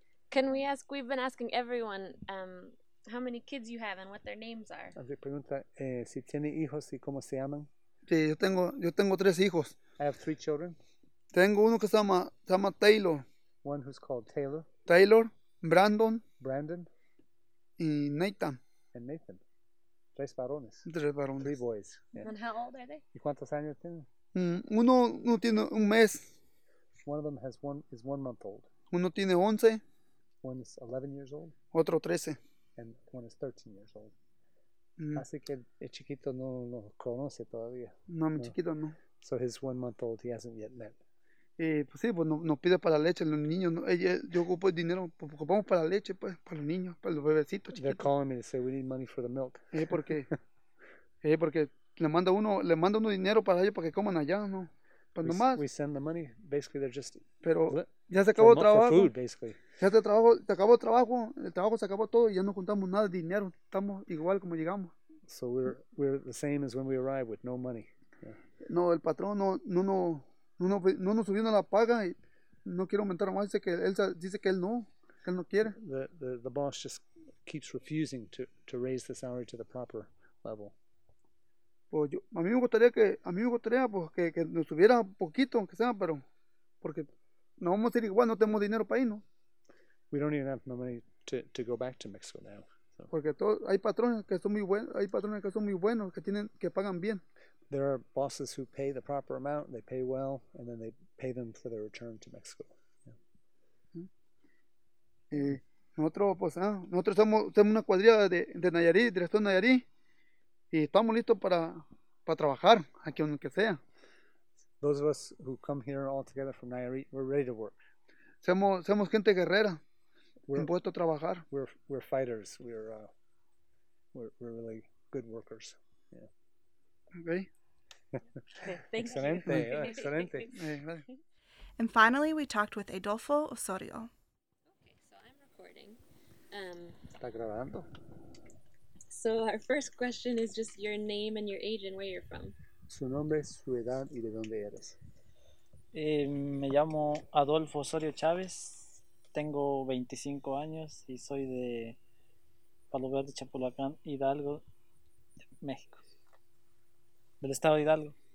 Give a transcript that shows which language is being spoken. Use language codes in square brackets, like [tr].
[en] Can we ask, we've been asking everyone how many kids you have and what their names are. [es] Si pregunta, si tiene hijos y cómo se llaman. Sí, yo tengo tres hijos. [en] I have three children. [es] Tengo uno que se llama Taylor. [en] One who's called Taylor. [es] Taylor, Brandon. [en] Brandon. [es] Y Nathan. [en] And Nathan. [es] Tres varones. Tres varones. [en] Three boys. Yeah. And how old are they? [es] ¿Y cuántos años tienen? Uno tiene un mes. [en] One of them is 1 month old. [es] Uno tiene 11. [en] One is 11 years old. [es] Otro 13. [en] And one is 13 years old. [es] Así que el chiquito no lo conoce todavía. No, mi chiquito no. [en] So his 1 month old, he hasn't yet met. [es] Pues sí, pues no pide para la leche los niños. No, yo ocupo el dinero, pues ocupamos para la leche, pues, para los niños, para los bebecitos chiquitos. [en] They're calling me to say we need money for the milk. [es] porque le manda uno dinero para ellos para que coman allá, ¿no? Pues nomás. [en] We send the money. Basically, they're just. [es] Pero ya se acabó el trabajo. [en] For food, basically. [es] Ya se acabó el trabajo. El trabajo se acabó todo y ya no juntamos nada de dinero. Estamos igual como llegamos. [en] So we're the same as when we arrived with no money. Yeah. [es] No, el patrón no nos subiendo la paga y no quiere aumentar más. Dice que él no quiere. [en] The boss just keeps refusing to raise the salary to the proper level. [es] Pues yo, a mí me gustaría pues que nos subiera poquito aunque sea, pero porque no vamos a ir igual, no tenemos dinero para ir, ¿no? [en] We don't even have no money to go back to Mexico now. So. [es] Porque hay patrones que son muy buenos que pagan bien. [en] There are bosses who pay the proper amount, they pay well, and then they pay them for their return to Mexico. Yeah. [es] Nosotros somos una cuadrilla de Nayarit, director Nayarit. Y estamos listos para trabajar aquí donde que sea. [en] Those of us who come here all together from Nayarit, we're ready to work. [es] Somos gente guerrera, impuesto a trabajar. [en] We're fighters. We're really good workers. Yeah. Okay. Thank [es] excelente, [en] you. [es] Excelente. [en] And finally, we talked with Adolfo Osorio. Okay, so I'm recording. [es] Está grabando. [en] So our first question is just your name and your age and where you're from. [es] Su nombre, su edad y de dónde eres. Me llamo Adolfo Osorio Chávez. Tengo 25 años y soy de Palo Verde, Chapulacán, Hidalgo, México. Del estado de Hidalgo.